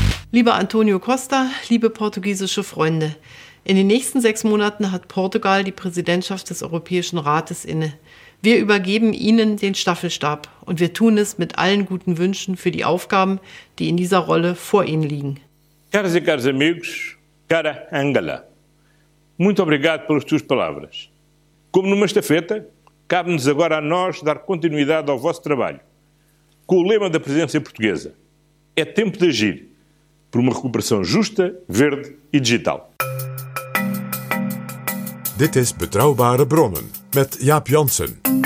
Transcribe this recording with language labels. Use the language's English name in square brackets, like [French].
[German] Lieber Antonio Costa, liebe portugiesische Freunde, in den nächsten 6 Monaten hat Portugal die Präsidentschaft des Europäischen Rates inne. Wir übergeben Ihnen den Staffelstab und wir tun es mit allen guten Wünschen für die Aufgaben, die in dieser Rolle vor Ihnen liegen. [Portuguese] Caras e caros amigos, cara Angela, muito obrigado pelas tuas palavras. Como numa estafeta, cabe-nos agora a nós dar continuidade ao vosso trabalho, com o lema da presidência portuguesa. É tempo de agir. Por uma recuperação justa, verde e digital. [Dutch] Dit is Betrouwbare Bronnen met Jaap Janssen.